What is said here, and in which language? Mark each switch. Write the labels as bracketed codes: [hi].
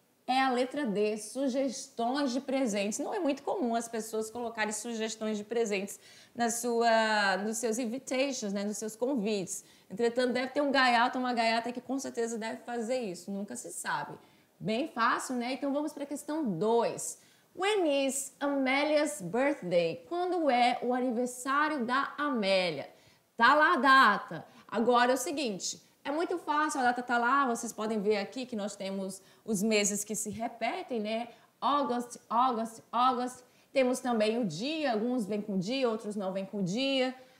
[pt] É a letra D, sugestões de presentes. Não é muito comum as pessoas colocarem sugestões de presentes nos seus invitations, né, nos seus convites. Entretanto, deve ter um gaiato, uma gaiata que com certeza deve fazer isso. Nunca se sabe. Bem fácil, né? Então vamos para a questão 2. [en] When is Amélia's birthday? [pt] Quando é o aniversário da Amélia? Tá lá a data. Agora é o seguinte, é muito fácil, a data tá lá, vocês podem ver aqui que nós temos os meses que se repetem, né? August, August, August. Temos também o dia, alguns vêm com dia, outros não vêm com dia.